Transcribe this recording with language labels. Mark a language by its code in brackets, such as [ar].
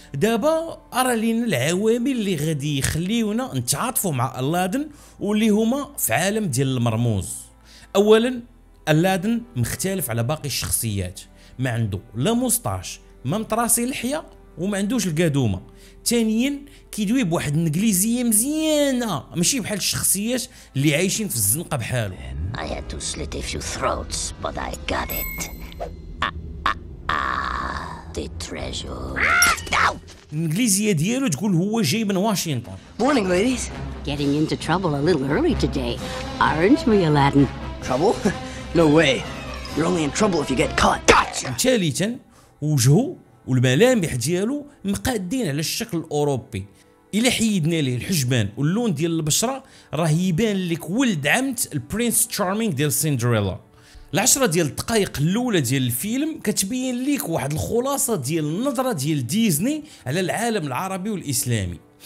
[ar] دابا ارى لينا العوامل اللي غادي يخليونا نتعاطفوا مع اللادن واللي هما في عالم ديال المرموز. اولا اللادن مختلف على باقي الشخصيات، ما عنده لا مستاش ما مطراسي لحية وما عندوش القادومة. ثانيا كيدوي بواحد الانجليزية مزيانة ماشي بحال الشخصيات اللي عايشين في الزنقة بحاله. [en] I had to slit a few throats but I got it. The treasure. [ar] الانجليزية ديالو تقول هو جاي من واشنطن. [en] Morning ladies. Getting into trouble a little early today. Aren't we Aladdin? Trouble? No way. You're only in trouble if you get caught. [ar] ثالثا وجهو والملامح ديالو مقادين على الشكل الاوروبي. الى حيدنا ليه الحجبان واللون ديال البشره راه يبان لك ولد عمت البرنس تشارمينغ ديال سندريلا. العشرة ديال الدقائق الاولى ديال الفيلم كتبين لك واحد الخلاصه ديال النظره ديال ديزني على العالم العربي والاسلامي.